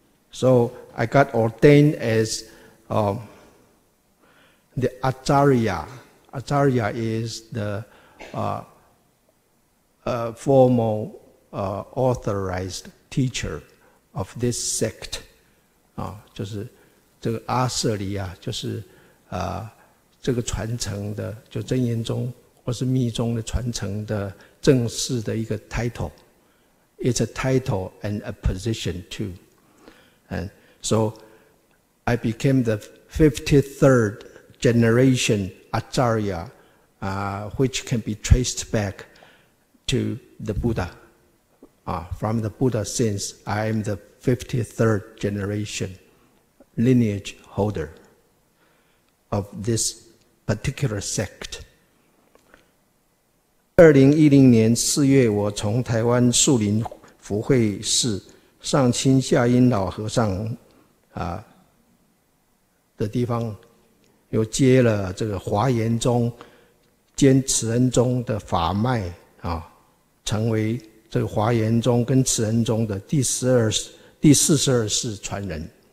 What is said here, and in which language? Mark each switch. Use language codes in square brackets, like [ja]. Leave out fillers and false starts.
[en] So I got ordained as the Acharya. Acharya is the formal authorized teacher of this sect. [zh] 就是这个阿舍离啊，就是这个传承的，就真言宗或是密宗的传承的正式的一个 title。 [en] It's a title and a position too. And so I became the 53rd generation Acharya, which can be traced back to the Buddha. From the Buddha, since I am the 53rd generation lineage holder of this particular sect. [zh] 2010年四月，我从台湾树林福慧寺上清下阴老和尚的地方，又接了这个华严宗兼慈恩宗的法脉成为这个华严宗跟慈恩宗的第四十二世传人。